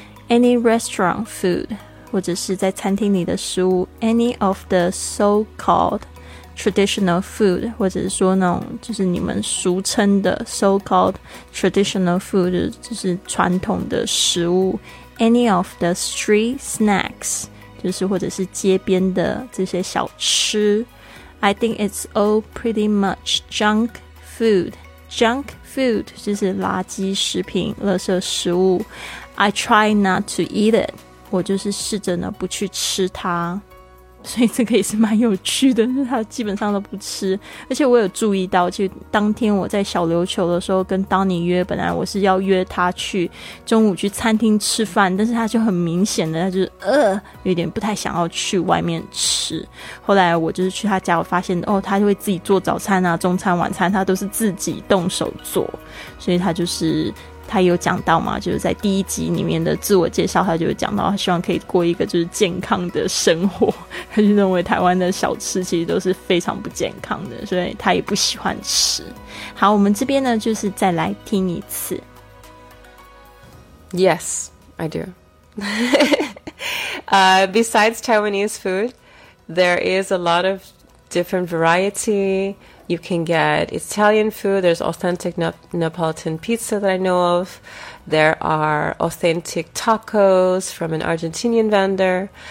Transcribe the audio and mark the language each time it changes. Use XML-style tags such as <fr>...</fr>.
<en>Any restaurant food</en> <zh>或者是在餐厅里的食物，</zh> <en>Any of the so-called traditional food</en> <zh>或者是说那种就是你们俗称的</zh> <en>so-called traditional food</en> <zh>就是传统的食物，</zh> <en>Any of the street snacks</en> <zh>就是或者是街边的这些小吃。</zh> <en>I think it's all pretty much junk food.</en> <zh>Junk food 就是垃圾食品、垃圾食物。</zh> <en>I try not to eat it.</en> <zh>我就是试着呢不去吃它。所以这个也是蛮有趣的，他基本上都不吃。而且我有注意到，就当天我在小琉球的时候跟 Donny 约，本来我是要约他去中午去餐厅吃饭，但是他就很明显的他就是有点不太想要去外面吃。后来我就是去他家，我发现哦，他就会自己做早餐啊、中餐、晚餐，他都是自己动手做。所以他就是他有讲到嘛，就是在第一集里面的自我介绍，他就讲到他希望可以过一个就是健康的生活，他就认为台湾的小吃其实都是非常不健康的，所以他也不喜欢吃。好，我们这边呢就是再来听一次。</zh> <en>Yes, I do. Besides Taiwanese food, there is a lot of different variety. You can get Italian food. There's authentic Neapolitan pizza that I know of. There are authentic tacos from an Argentinian vendor.</en>